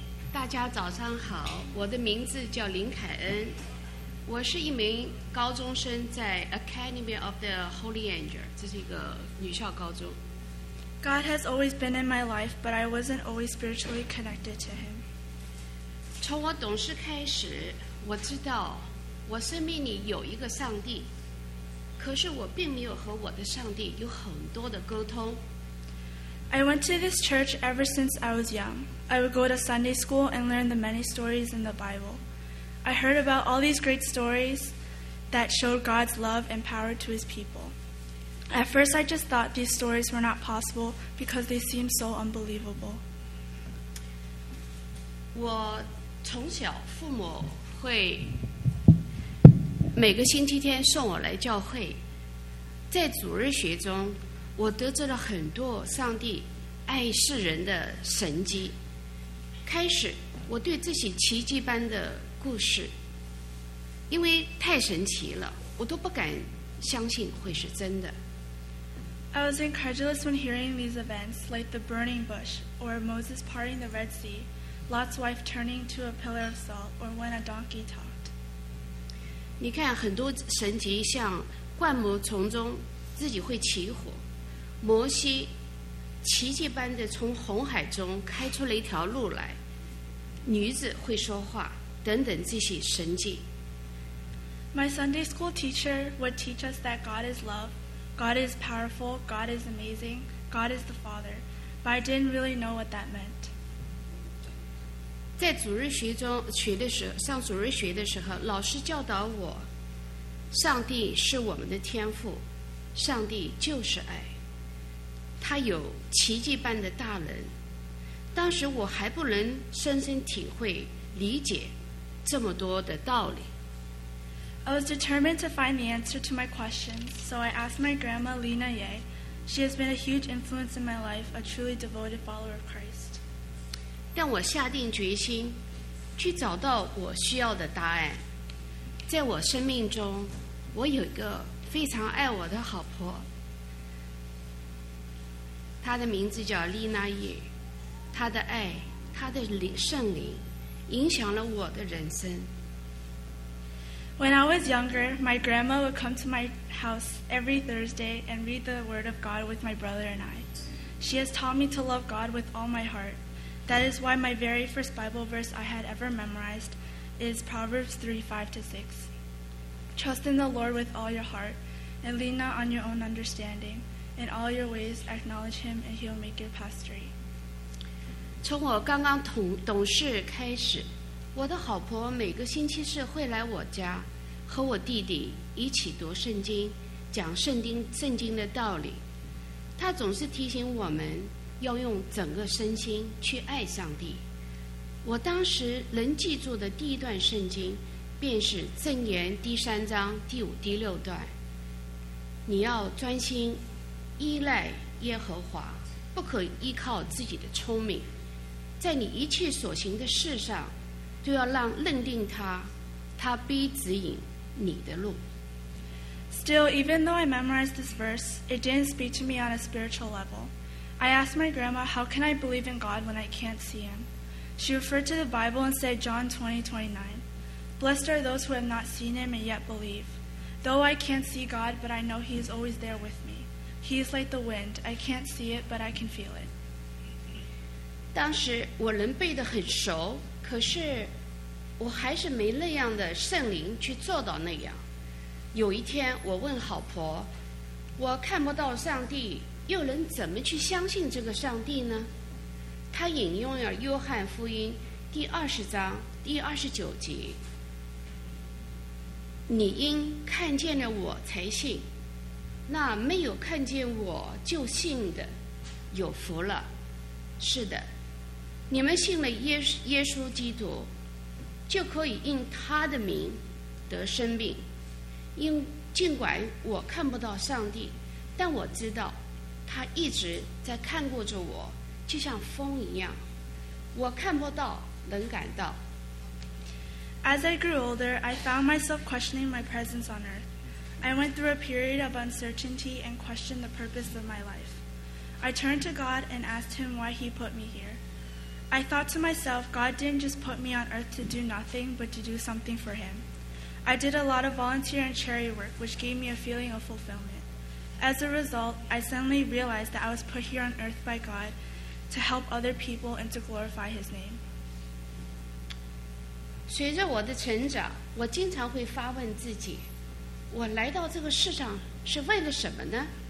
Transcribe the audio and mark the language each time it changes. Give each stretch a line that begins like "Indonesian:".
Chinese: 大家早上好，我的名字叫林凯恩，我是一名高中生在 Academy of the Holy Angels， 这是一个女校高中。
English: God has always been in my life, but I wasn't always spiritually connected to Him.
Chinese: 从我懂事开始，我知道我生命里有一个上帝。可是我并没有和我的上帝有很多的沟通。
English: I went to this church ever since I was young. I would go to Sunday school and learn the many stories in the Bible. I heard about all these great stories that showed God's love and power to His people. At first, I just thought these stories were not possible because they seemed so unbelievable.
Chinese: 我从小父母会每个星期天送我来教会，在主日学中，我得知了很多上帝爱世人的神迹。开始，我对这些奇迹般的故事，因为太神奇了，我都不敢相信会是真的。
English: I was incredulous when hearing these events, like the burning bush, or Moses parting the Red Sea, Lot's wife turning to a pillar of salt, or when a donkey talked.
Chinese: 你看很多神迹，像灌木丛中自己会起火，摩西奇迹般的从红海中开出了一条路来，女子会说话等等这些神迹。
English: My Sunday school teacher would teach us that God is love, God is powerful, God is amazing, God is the Father, but I didn't really know what that meant.
Chinese: 在主日学中学的时候，上主日学的时候，老师教导我，上帝是我们的天父，上帝就是爱，他有奇迹般的大能。当时我还不能深深体会理解这么多的道理。
English: I was determined to find the answer to my questions, so I asked my grandma Lena Ye. She has been a huge influence in my life, a truly devoted follower of Christ.
Chinese: 但我下定决心去找到我需要的答案。在我生命中，我有一个非常爱我的好婆，她的名字叫丽娜叶，她的爱，她的圣灵影响了我的人生。
English: When I was younger, my grandma would come to my house every Thursday and read the word of God with my brother and I. She has taught me to love God with all my heartThat is why my very first Bible verse I had ever memorized is Proverbs 3:5-6. Trust in the Lord with all your heart, and lean not on your own understanding. In all your ways, acknowledge Him, and He'll make your path straight.
Chinese: 从我刚刚懂事开始，我的好婆每个星期四会来我家，和我弟弟一起读圣经，讲圣经的道理。她总是提醒我们要用整个身心去爱上帝。我当时能记住的第一段圣经便是箴言第三章第五第六段，你要专心依赖耶和华，不可依靠自己的聪明，在你一切所行的事上都要让认定他，他必指引你的路。
English: Still, even though I memorized this verse, it didn't speak to me on a spiritual levelI asked my grandma, how can I believe in God when I can't see Him? She referred to the Bible and said, John 20:29, Blessed are those who have not seen Him and yet believe. Though I can't see God, but I know He is always there with me. He is like the wind. I can't see it, but I can feel it.
Chinese: 当时我能背得很熟，可是我还是没那样的圣灵去做到那样。有一天我问好婆，我看不到上帝，又能怎么去相信这个上帝呢？他引用了约翰福音第20章第29节，你因看见了我才信，那没有看见我就信的有福了。是的，你们信了耶稣基督，就可以因他的名得生命。因尽管我看不到上帝，但我知道他一直在看顾着我，就像风一样，我看不到能感到。
English: As I grew older, I found myself questioning my presence on earth. I went through a period of uncertainty and questioned the purpose of my life. I turned to God and asked him why he put me here. I thought to myself, God didn't just put me on earth to do nothing, but to do something for him. I did a lot of volunteer and charity work, which gave me a feeling of fulfillment. As a result, I suddenly realized that I was put here on earth by God to help other people and to glorify his name.
Chinese: 随着我的成长，我经常会发问自己，我来到这个世上是为了什么呢？